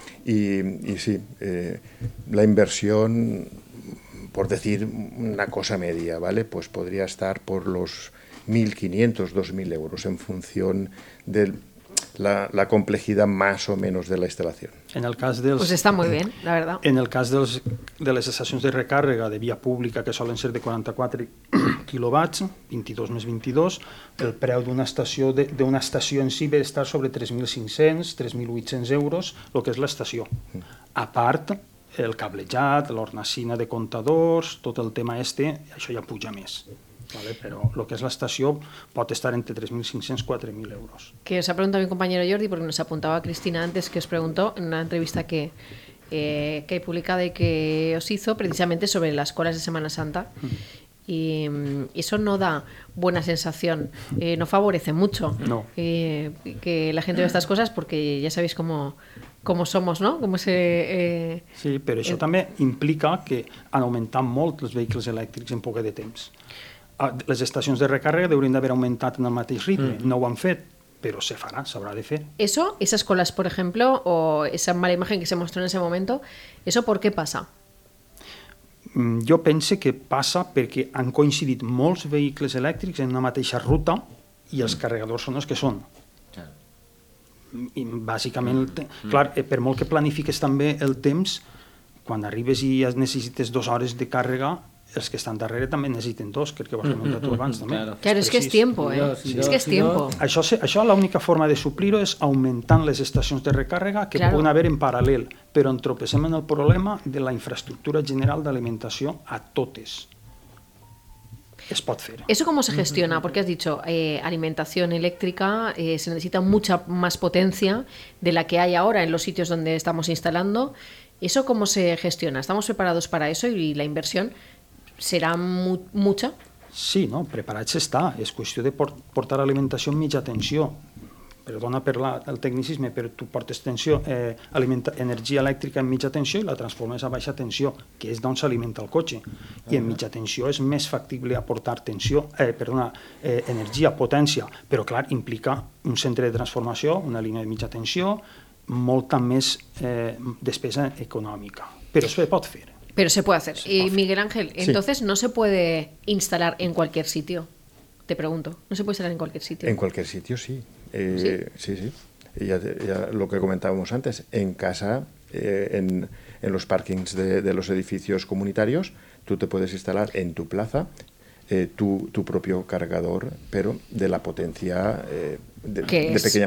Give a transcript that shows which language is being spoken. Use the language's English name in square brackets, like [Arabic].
[Spanish] Y sí, la inversión, por decir una cosa media, ¿vale? Pues podría estar por los 1.500, 2.000 euros en función del... La complejidad más o menos de la instalación. [Catalan] En el cas dels, [Spanish] pues está muy bien, la verdad. [Catalan] En el cas dels, de les estacions de recàrrega de via pública, que solen ser de 44 kilowatts, 22 més 22, el preu d'una estació en si ve a estar sobre 3.500, 3.800 euros, el que és l'estació. A part, el cablejat, l'hornacina de comptadors, tot el tema este, això ja puja més. [Spanish] Vale, pero lo que es la estación puede estar entre 3.500 y 4.000 euros. Que os ha preguntado mi compañero Jordi, porque nos apuntaba Cristina antes, que os preguntó en una entrevista que hay publicada y que os hizo precisamente sobre las colas de Semana Santa. Y eso no da buena sensación, no favorece mucho que la gente vea estas cosas, porque ya sabéis cómo somos, ¿no? Cómo se, sí, pero eso también implica que han aumentado mucho los vehículos eléctricos en poco de tiempo. [Catalan] Les estacions de recàrrega haurien d'haver augmentat en el mateix ritme. No ho han fet, però se farà, s'haurà de fer. [Spanish] Eso, esas colas, por ejemplo, o esa mala imagen que se mostró en ese momento, ¿eso por qué pasa? [Catalan] Jo penso que passa perquè han coincidit molts vehicles elèctrics en una mateixa ruta i els carregadors són els que són. Bàsicament, clar, per molt que planifiques també el temps, quan arribes i ja necessites 2 hores de càrrega, els que estan darrere també necessiten 2, crec que ho has comentat abans. Claro, és que és tiempo, és que és tiempo. Això, l'única forma de suplir-ho és augmentant les estacions de recàrrega que claro. Poden haver en paral·lel, però entropessem en el problema de la infraestructura general d'alimentació a totes. Es pot fer. [Spanish] ¿Eso cómo se gestiona? Porque has dicho, alimentación eléctrica, se necesita mucha más potencia de la que hay ahora en los sitios donde estamos instalando. ¿Eso cómo se gestiona? ¿Estamos preparados para eso y la inversión serà mucha? [Catalan] Sí, no, preparats està. És qüestió de portar alimentació en mitja tensió. perdona per el tecnicisme, però tu portes tensió, alimenta energia elèctrica en mitja tensió i la transformes a baixa tensió, que és d'on s'alimenta el cotxe. I en mitja tensió és més factible aportar tensió, energia, potència, però clar, implica un centre de transformació, una línia de mitja tensió, molta més despesa econòmica. Però es pot fer. [Spanish] Però se puede hacer. Y Miguel Ángel, entonces sí. No se puede instalar en cualquier sitio, te pregunto. No se puede instalar en cualquier sitio. En cualquier sitio, sí. Sí. Ya lo que comentábamos antes, en casa, en los parkings de los edificios comunitarios, tú te puedes instalar en tu plaza tu propio cargador, pero de la potencia, de pequeña potencia.